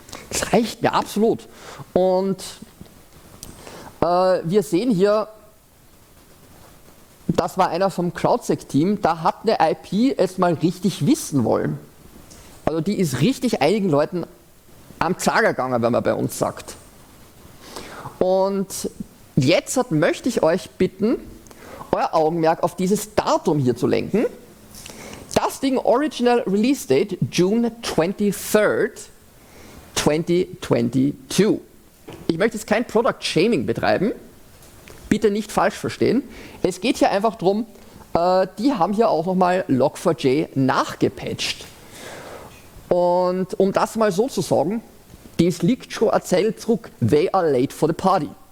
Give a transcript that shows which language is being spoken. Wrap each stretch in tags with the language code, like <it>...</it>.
<de>Das reicht mir absolut. Und wir sehen hier, das war einer vom CrowdSec-Team, da hat eine IP es mal richtig wissen wollen. Also die ist richtig einigen Leuten am Zager gegangen, wenn man bei uns sagt. Und jetzt möchte ich euch bitten, euer Augenmerk auf dieses Datum hier zu lenken.</de> <en>Das Ding Original Release Date, June 23rd, 2022.</en> <de>Ich möchte jetzt kein Product Shaming betreiben, bitte nicht falsch verstehen. Es geht hier einfach darum, die haben hier auch nochmal Log4j nachgepatcht. Und um das mal so zu sagen, das liegt schon ein Zeil zurück,</de> <en>they are late for the party.</en>